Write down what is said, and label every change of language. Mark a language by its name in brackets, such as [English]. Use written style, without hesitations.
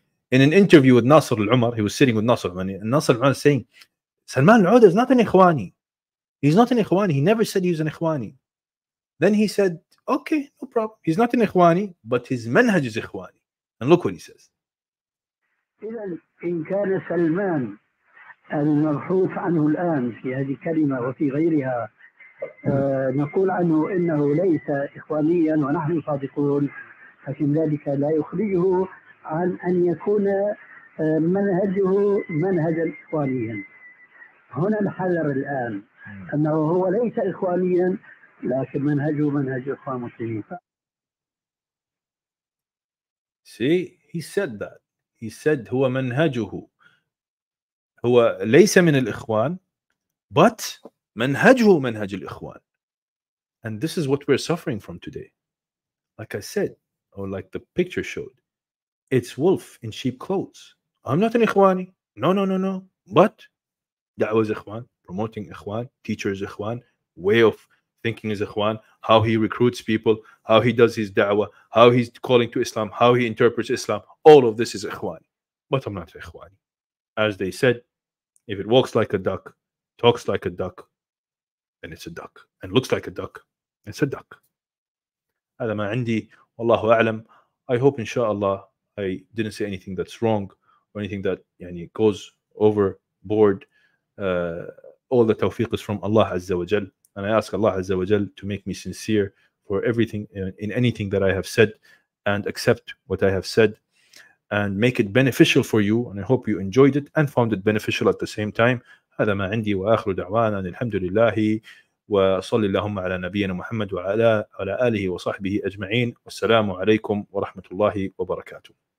[English] In an interview with Nasr al-Umar, he was sitting with Nasr al-Umar, and Nasr al-Umar is saying, Salman al-Uda is not an Ikhwani. He's not an Ikhwani. He never said he was an Ikhwani. Then he said, okay, no problem. He's not an Ikhwani, but his manhaj is Ikhwani. And look what he says. [Arabic] إن كان سلمان المبحوث عنه الآن في هذه الكلمة وفي غيرها نقول عنه إنه ليس إخوانيا ونحن صادقون لكن ذلك لا يخرجه عن أن يكون منهجه منهجا إخوانيا هنا الحذر الآن أنه هو ليس إخوانيا لكن منهجه منهج إخوان مسلمين. [English] See, he said that. He said [Arabic] هو منهجه هو ليس من الإخوان [English] but [Arabic] منهجه منهج الإخوان. [English] And this is what we're suffering from today. Like I said, or like the picture showed, it's wolf in sheep clothes. I'm not an إخواني. No. But [Arabic] دعوة إخوان, [English] promoting إخوان, teachers إخوان, way of thinking is إخوان, how he recruits people, how he does his da'wah, how he's calling to Islam, how he interprets Islam, all of this is إخواني. But I'm not إخواني. As they said, if it walks like a duck, talks like a duck, then it's a duck. And looks like a duck, it's a duck. [Arabic] هذا ما عندي, والله أعلم. [English] I hope inshallah I didn't say anything that's wrong or anything that [Arabic] يعني, [English] goes overboard. All the tawfiq is from Allah Azza wa Jal. And I ask Allah Azza wa Jal to make me sincere for everything in anything that I have said and accept what I have said and make it beneficial for you. And I hope you enjoyed it and found it beneficial at the same time. [Arabic] هذا ما عندي وآخر دعوانا الحمد لله وصلي اللهم على نبينا محمد وعلى آله وصحبه أجمعين والسلام عليكم ورحمة الله وبركاته.